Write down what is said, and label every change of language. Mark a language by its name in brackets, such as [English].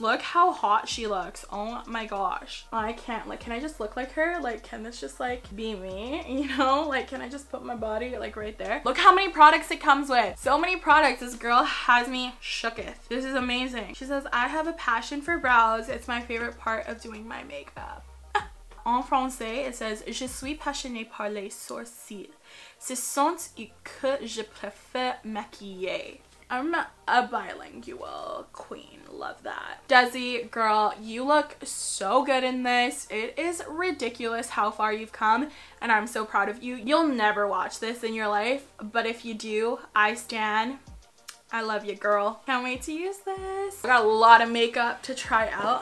[English] Look how hot she looks. Oh my gosh. I can't, like, can I just look like her? Like, can this just like be me? You know, like, can I just put my body like right there? Look how many products it comes with. So many products. This girl has me shooketh. This is amazing. She says, I have a passion for brows. It's my favorite part of doing my makeup. [French] En français, [English] it says, [French] je suis passionnée par les sourcils. Ce sont ceux que je préfère maquiller. [English] I'm a bilingual queen. Love that. Desi, girl, you look so good in this. It is ridiculous how far you've come, and I'm so proud of you. You'll never watch this in your life, but if you do, I stan. I love you, girl. Can't wait to use this. I got a lot of makeup to try out.